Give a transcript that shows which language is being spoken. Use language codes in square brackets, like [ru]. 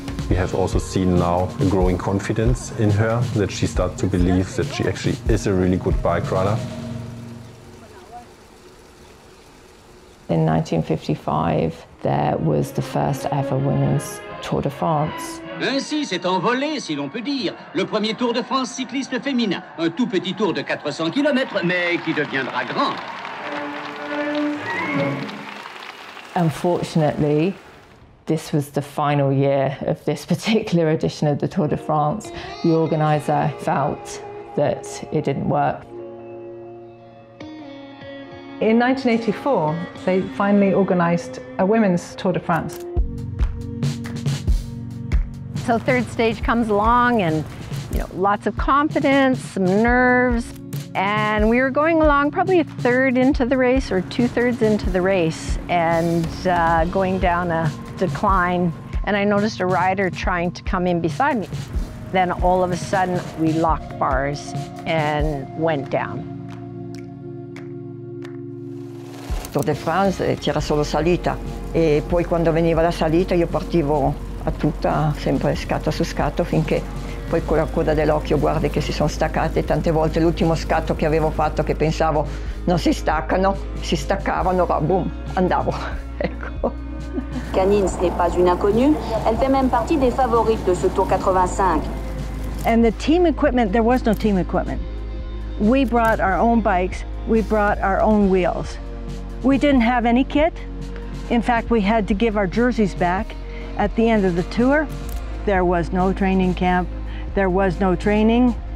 [en] We have also seen now a growing confidence in her, that she starts to believe that she actually is a really good bike rider. In 1955, there was the first ever women's Tour de France. [fr] Ainsi s'est envolé, si l'on peut dire, le premier Tour de France cycliste féminin. Un tout petit tour de 400 km, mais qui deviendra grand. [en] Unfortunately, this was the final year of this particular edition of the Tour de France. The organizer felt that it didn't work. In 1984, they finally organized a women's Tour de France. So third stage comes along and, you know, lots of confidence, some nerves, and we were going along probably a third into the race or two thirds into the race and going down a decline. And I noticed a rider trying to come in beside me. Then all of a sudden we locked bars and went down. [it] Tour de France c'era solo salita e poi quando veniva la salita io partivo a tutta sempre scatto su scatto finché poi con la coda dell'occhio guardi che si sono staccate tante volte l'ultimo scatto che avevo fatto che pensavo non si staccano si staccavano va boom andavo ecco. [fr] Canins n'est pas une inconnue, elle fait même partie des favorites de ce Tour 85. [en] And the team equipment, there was no team equipment. We brought our own bikes, we brought our own wheels. We didn't have any kit. In fact, we had to give our jerseys back at the end of the tour. There was no training camp. There was no training.